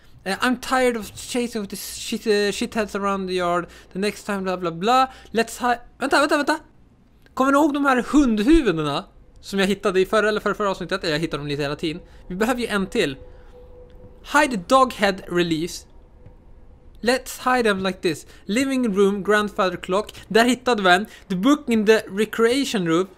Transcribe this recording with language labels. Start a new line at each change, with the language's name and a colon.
English: I'm tired of chasing with this shitheads around the yard. The next time bla bla bla. Let's hide.
Swedish: Vänta, vänta, vänta. Kommer ni ihåg de här hundhuvudena som jag hittade i förra eller förra avsnittet? Jag hittade dem lite hela tiden. Vi behöver ju en till.
English: Hide dog head release. Let's hide them like this. Living room, grandfather clock.
Swedish: Där hittade vi en.
English: The book in the recreation room.